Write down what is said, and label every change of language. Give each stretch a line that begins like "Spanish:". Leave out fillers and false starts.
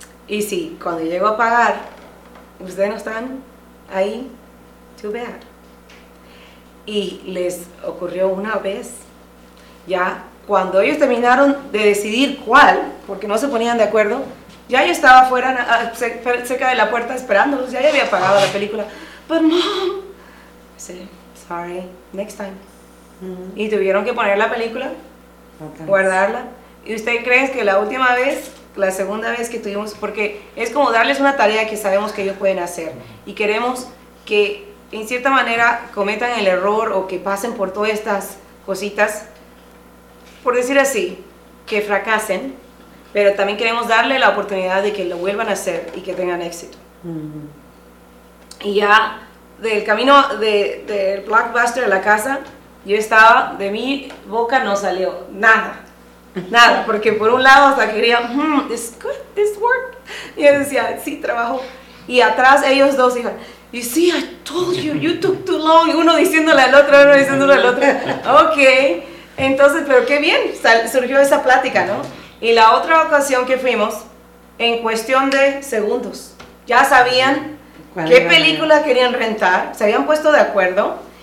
Spanish: Y sí, cuando llego a pagar, ustedes no están ahí,
English: too bad.
Spanish: Y les ocurrió una vez, ya cuando ellos terminaron de decidir cuál, porque no se ponían de acuerdo, ya yo estaba fuera, cerca de la puerta esperándolos, ya yo había pagado la película.
English: But mom, I said, sorry, next time.
Spanish: Y tuvieron que poner la película, guardarla. ¿Y usted cree que la última vez, la segunda vez que tuvimos, porque es como darles una tarea que sabemos que ellos pueden hacer y queremos que en cierta manera cometan el error o que pasen por todas estas cositas, por decir así, que fracasen, pero también queremos darle la oportunidad de que lo vuelvan a hacer y que tengan éxito. Y ya del camino del Blockbuster a la casa, yo estaba, de mi boca no salió nada, porque por un lado hasta quería,
English: it's good, this work.
Spanish: Y él decía, sí, trabajo. Y atrás ellos dos dijeron,
English: you see, I told you, you took too long.
Spanish: Y uno diciéndole al otro, uno diciéndole al otro. Ok, entonces, pero qué bien, surgió esa plática, ¿no? Y la otra ocasión que fuimos, en cuestión de segundos, ya sabían qué película querían rentar, se habían puesto de acuerdo.